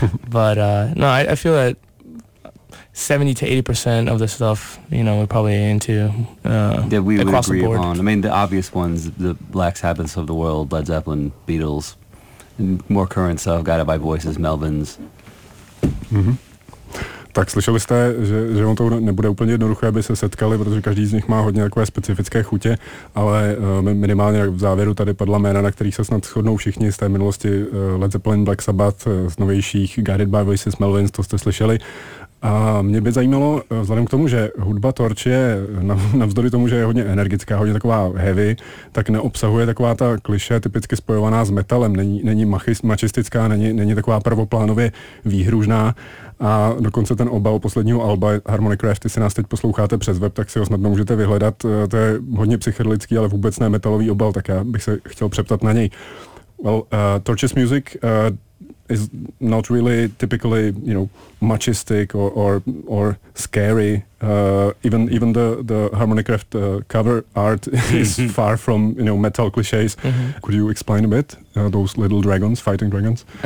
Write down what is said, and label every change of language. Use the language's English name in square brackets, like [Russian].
[English] But I feel that 70-80% of the stuff, you know, we're probably into that we would agree upon. I mean, the obvious ones, the Black Sabbaths of the world, Led Zeppelin, Beatles, and more current stuff, Guided by Voices, Melvins. Mm-hmm. [Czech] Tak slyšeli jste, že on to nebude úplně jednoduché, aby se setkali, protože každý z nich má hodně takové specifické chutě, ale minimálně v závěru tady padla jména, na kterých se snad shodnou všichni z té minulosti, Led Zeppelin, Black Sabbath, z novějších Guided by Voices, Melvins, to jste slyšeli. A mě by zajímalo, vzhledem k tomu, že hudba Torch je navzdory tomu, že je hodně energická, hodně taková heavy, tak neobsahuje taková ta kliše typicky spojovaná s metalem. Není machistická, není taková prvoplánově výhružná. A dokonce ten obal posledního alba Harmonic Rift, jestli nás teď posloucháte přes web, tak si ho snadno můžete vyhledat. To je hodně psychedelický, ale vůbec ne metalový obal, tak já bych se chtěl přeptat na něj. [English] Well, Torch's music is not really typically, you know, machistic or scary. Even the Harmonic Rift cover art is far from, you know, metal cliches. Mm-hmm. Could you explain a bit those little dragons, fighting dragons?